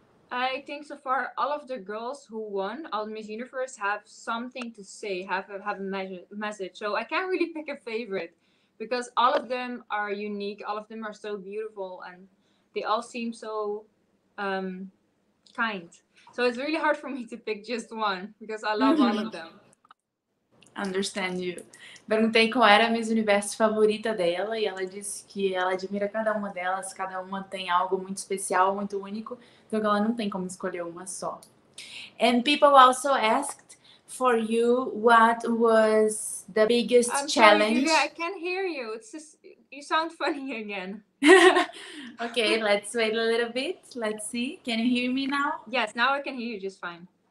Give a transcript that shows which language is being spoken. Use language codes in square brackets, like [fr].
[en] I think so far all of the girls who won, all the Miss Universe, have something to say, have a message. So I can't really pick a favorite, because all of them are unique, all of them are so beautiful, and they all seem so kind. So it's really hard for me to pick just one, because I love all of them. Understand you. [pt] Perguntei qual era a Miss Universo favorita dela, e ela disse que ela admira cada uma delas, cada uma tem algo muito especial, muito único, então ela não tem como escolher uma só. [en] And people also asked for you, what was the biggest challenge? Sorry, Julia, I can't hear you. It's just, you sound funny again. Okay, let's wait a little bit. Let's see. Can you hear me now? Yes, now I can hear you just fine.